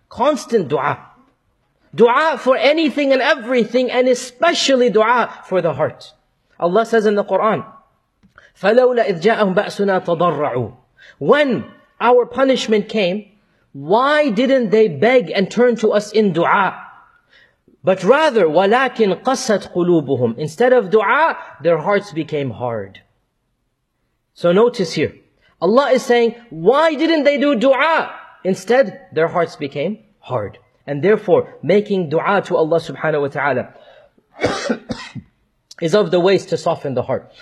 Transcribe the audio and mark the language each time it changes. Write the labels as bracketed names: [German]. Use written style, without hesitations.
[English] Constant dua. Dua for anything and everything, and especially dua for the heart. Allah says in the Quran, [Arabic] فَلَوْلَا إِذْ جَاءَهُمْ بَأْسُنَا تَضَرَّعُوا. [English] When our punishment came, why didn't they beg and turn to us in dua? But rather, [Arabic] وَلَكِنْ قَسَّتْ قُلُوبُهُمْ. [English] Instead of dua, their hearts became hard. So notice here, Allah is saying, why didn't they do dua? Instead, their hearts became hard. And therefore, making dua to Allah subhanahu wa ta'ala is of the ways to soften the heart.